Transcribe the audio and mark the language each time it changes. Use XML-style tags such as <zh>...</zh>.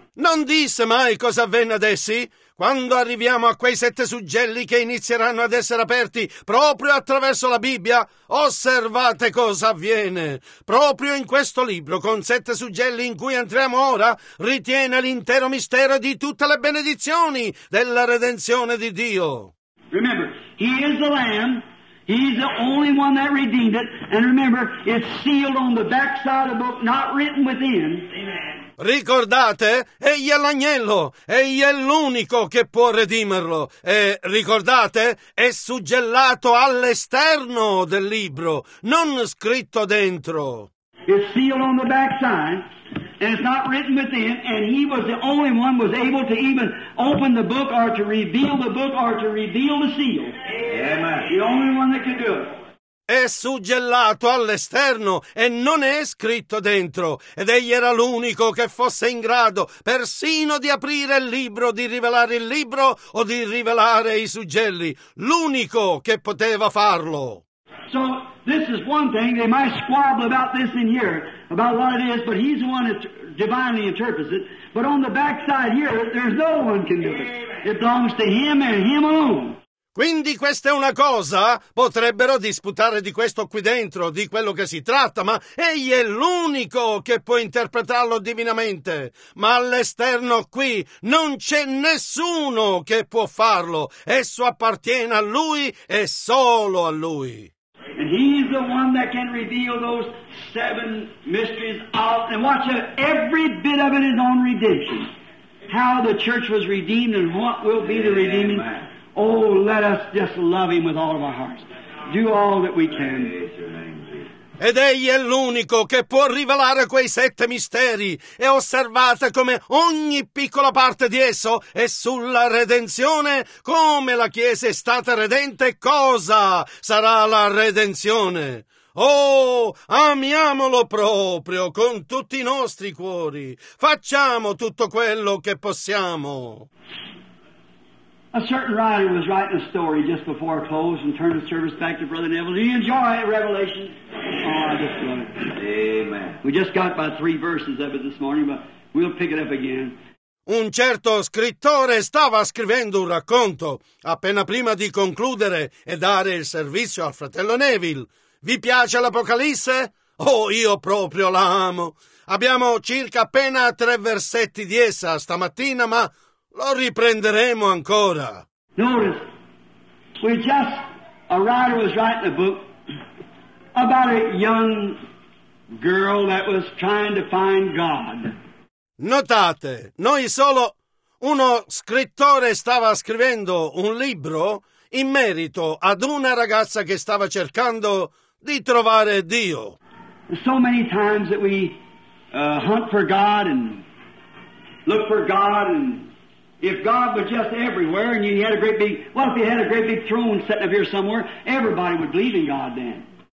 <it>Non disse mai cosa avvenne ad essi? Quando arriviamo a quei sette suggelli che inizieranno ad essere aperti proprio attraverso la Bibbia, osservate cosa avviene. Proprio in questo libro, con sette suggelli in cui entriamo ora, ritiene l'intero mistero di tutte le benedizioni della redenzione di Dio.</it> <en>Remember, he is the Lamb, he's the only one that redeemed it, and remember, it's sealed on the back side of the book, not written within. Amen.</en> <it>Ricordate, egli è l'agnello, egli è l'unico che può redimerlo. E ricordate, è suggellato all'esterno del libro, non scritto dentro.</it> <en>It's sealed on the backside, and it's not written within, and he was the only one was able to even open the book or to reveal the book or to reveal the seal. Yeah, the only one that could do it.</en> <it>È suggellato all'esterno e non è scritto dentro, ed egli era l'unico che fosse in grado persino di aprire il libro, di rivelare il libro o di rivelare i suggelli, l'unico che poteva farlo.</it> <en>So this is one thing, they might squabble about this in here, about what it is, but he's the one that divinely interprets it, but on the backside here there's no one can do it, it belongs to him and him alone.</en> <it>Quindi questa è una cosa, potrebbero disputare di questo qui dentro, di quello che si tratta, ma egli è l'unico che può interpretarlo divinamente. Ma all'esterno qui non c'è nessuno che può farlo, esso appartiene a lui e solo a lui.</it> <en>And he's the one that can reveal those seven mysteries out. And watch it, every bit of it is on redemption. How the church was redeemed and what will be the redeeming. Oh, let us just love him with all of our hearts. Do all that we can.</en> <it>Ed egli è l'unico che può rivelare quei sette misteri. E osservate come ogni piccola parte di esso è sulla redenzione, come la Chiesa è stata redente, cosa sarà la redenzione. Oh, amiamolo proprio con tutti i nostri cuori. Facciamo tutto quello che possiamo.</it> <en>A certain writer was writing a story just before I closed and turned the service back to Brother Neville. Do you enjoy Revelation? Oh, I just love it. Amen. We just got about three verses of it this morning, but we'll pick it up again.</en> <it>Un certo scrittore stava scrivendo un racconto appena prima di concludere e dare il servizio al fratello Neville. Vi piace l'Apocalisse? Oh, io proprio la amo. Abbiamo circa appena tre versetti di essa stamattina, ma lo riprenderemo ancora.</it> <en>Notice, we just, a writer was writing a book about a young girl that was trying to find God.</en> <it>Notate, noi solo, uno scrittore stava scrivendo un libro in merito ad una ragazza che stava cercando di trovare Dio.</it> <en>So many times that we hunt for God and look for God and if God was just everywhere and you had a great big, well, if you had a great big throne sitting up here somewhere, everybody would believe in God then.</en>